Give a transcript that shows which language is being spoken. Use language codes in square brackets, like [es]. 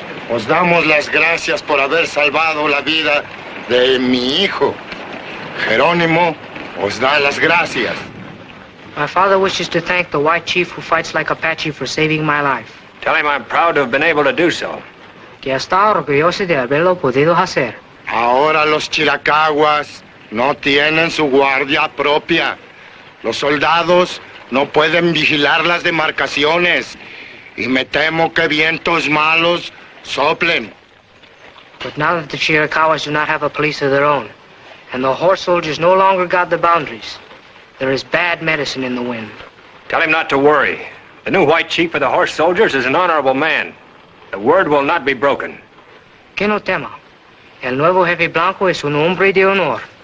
[es] Os damos las gracias por haber salvado la vida de mi hijo. Jerónimo os da las gracias. [en] My father wishes to thank the white chief who fights like Apache for saving my life. Tell him I'm proud to have been able to do so. [es] Que está orgulloso de haberlo podido hacer. Ahora los chiracahuas no tienen su guardia propia. Los soldados no pueden vigilar las demarcaciones. Y me temo que vientos malos [en] So blame. But now that the Chiricahuas do not have a police of their own, and the horse soldiers no longer guard the boundaries, there is bad medicine in the wind. Tell him not to worry. The new white chief of the horse soldiers is an honorable man. The word will not be broken. [es] Que no tema. El nuevo jefe blanco es un hombre de honor.